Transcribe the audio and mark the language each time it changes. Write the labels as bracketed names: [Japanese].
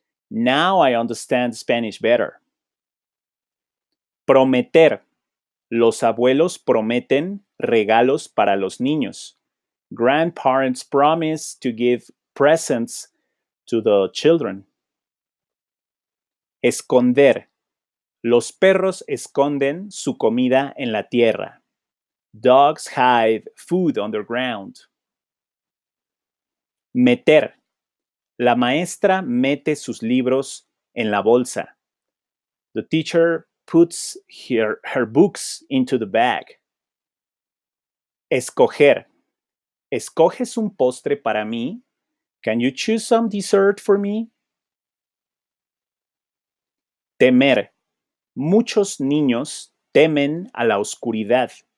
[English] Now I understand Spanish better. Prometer. [Spanish] Los abuelos prometen regalos para los niños. [English] Grandparents promise to give presents to the children. [Spanish] Esconder. Los perros esconden su comida en la tierra. [English] Dogs hide food underground. [Spanish] Meter. La maestra mete sus libros en la bolsa. [English] The teacher puts her books into the bag. [Spanish] Escoger. ¿Escoges un postre para mí? [English] Can you choose some dessert for me? [Spanish] Temer. Muchos niños temen a la oscuridad.